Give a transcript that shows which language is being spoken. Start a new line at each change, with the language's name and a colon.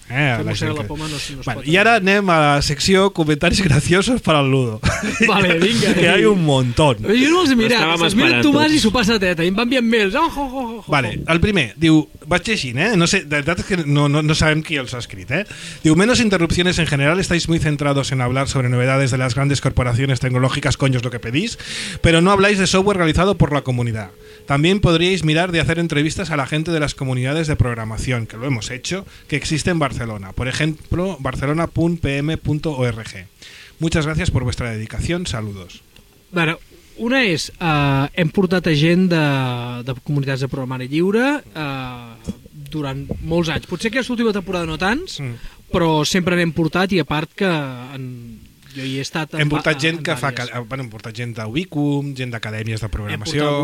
Catalan: Que Mossega la Poma no es pot... I ara anem a la secció comentaris graciosos per al Ludo. Vale, vinga. Que hi ha un montón. Jo no els mira. Els mira Tomàs i s'ho passa a teta. I em va enviant mails. Vale, el primer diu... vaig llegint, eh? No sé, de veritat és que no sabem qui els ha escrit, eh?
Spanish: Diu, menos interrupciones en general, estáis muy centrados en hablar sobre novedades de las grandes corporaciones tecnológicas, coño, es lo que pedís, pero no habláis de software realizado por la comunidad. También podríais mirar de hacer entrevistas a la gente de las comunidades de programación, que lo hemos hecho, que existe en Barcelona. Por ejemplo, barcelona.pm.org. Muchas gracias por vuestra dedicación. Saludos.
Catalan: Bueno, una és, hem portat a gent de comunitats de programari lliure durant molts anys. Potser que aquesta última temporada no tants, però sempre n'hem portat, i a part que jo hi he estat... Hem portat gent que fa... Bueno, hem portat gent d'Ubicum, gent d'acadèmies de programació...